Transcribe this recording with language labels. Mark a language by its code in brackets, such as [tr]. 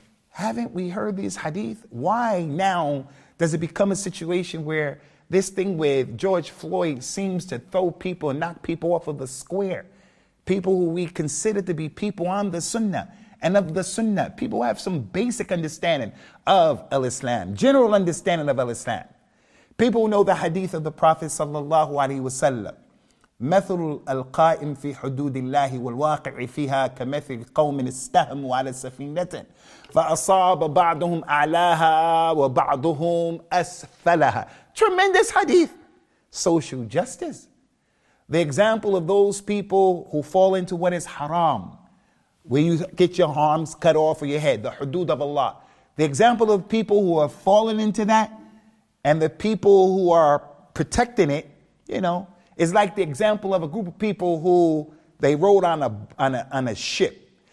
[en] Haven't we heard these hadith? Why now does it become a situation where this thing with George Floyd seems to throw people and knock people off of the square? People who we consider to be people on the sunnah and of the sunnah. People who have some basic understanding of al-Islam, general understanding of al-Islam. People who know the hadith of the Prophet sallallahu alayhi wa sallam. [ar] مثل القائم في حدود الله والواقع فيها كمثل قوم استهموا على سفينة فأصاب بعضهم أعلاها وبعضهم أسفلها. [en] Tremendous hadith. Social justice. The example of those people who fall into what is haram, where you get your arms cut off or your head, the hudud of Allah. The example of people who have fallen into that and the people who are protecting it, you know, is like the example of a group of people who they rode on a ship.